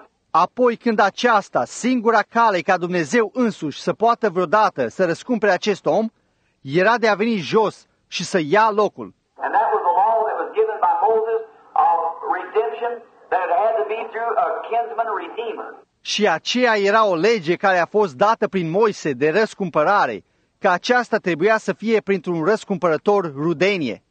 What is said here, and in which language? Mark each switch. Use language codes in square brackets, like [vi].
[ro] Apoi când aceasta, singura cale ca Dumnezeu însuși să poată vreodată să răscumpere acest om, era de a veni jos și să ia locul. [en] And that was the law that was given by Moses of redemption that it had to be through a kinsman redeemer. [ro] Și aceea era o lege care a fost dată prin Moise de răscumpărare, că aceasta trebuia să fie printr-un răscumpărător rudenie.